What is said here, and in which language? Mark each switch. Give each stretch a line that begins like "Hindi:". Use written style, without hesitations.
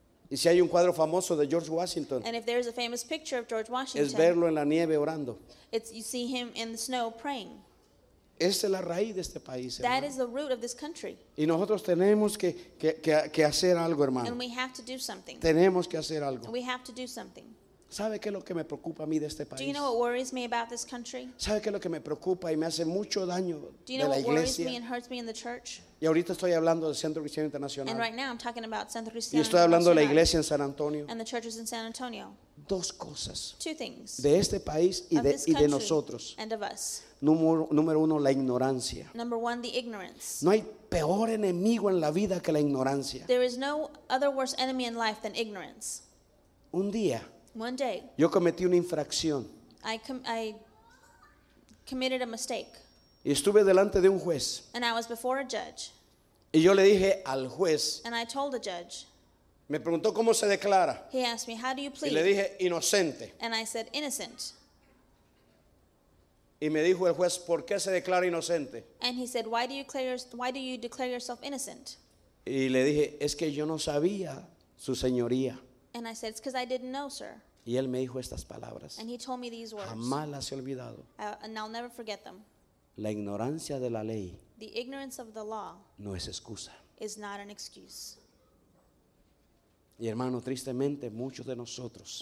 Spanish: Y si hay un cuadro famoso de George Washington.
English: And if there is a famous picture of George Washington.
Spanish: Es verlo en la nieve orando.
English: It's you see him in the snow praying.
Spanish: Esa es la raíz de este país,
English: that
Spanish: hermano.
English: Is the root of this country.
Spanish: Y nosotros tenemos que hacer algo, hermano.
English: And we have to do something.
Spanish: Tenemos que hacer algo.
English: We have to do something.
Spanish: ¿Sabe qué es lo que me preocupa a mí de este país?
English: Do you know what worries me about this country?
Spanish: ¿Sabe qué es lo que me preocupa y me hace mucho daño de la iglesia?
English: Do you know what worries me and hurts me in the church?
Spanish: Y ahorita estoy hablando del Centro Cristiano Internacional.
English: And right now I'm talking about Centro Cristiano.
Spanish: Y estoy hablando de la iglesia en San Antonio.
English: And the churches in San Antonio.
Spanish: Dos cosas.
English: Two things.
Spanish: De este país y de nosotros.
English: And of us.
Spanish: Número uno, la ignorancia.
English: Number one, the ignorance.
Spanish: No hay peor enemigo en la vida que la ignorancia.
English: There is no other worse enemy in life than ignorance.
Spanish: Un día.
English: One day,
Spanish: yo cometí una infracción.
English: I committed a mistake.
Spanish: Y estuve delante de un juez.
English: And I was before a judge.
Spanish: Y yo le dije al juez.
English: And I told the judge.
Spanish: Me preguntó cómo se declara.
English: He asked me, how do you plead?
Spanish: Y le dije, inocente.
English: And I said, innocent.
Spanish: Y me dijo el juez, ¿por qué se declara inocente?
English: And he said, why do you declare yourself innocent?
Spanish: Y le dije, es que yo no sabía, su señoría.
English: And I said, it's because I didn't know, sir.
Spanish: Y él me dijo estas palabras.
English: And he told me these words.
Spanish: Jamás las he olvidado.
English: And I'll never forget them.
Spanish: La ignorancia de la ley.
English: The ignorance of the law.
Spanish: No es excusa.
English: Is not an excuse.
Spanish: Y hermano, tristemente, muchos de nosotros.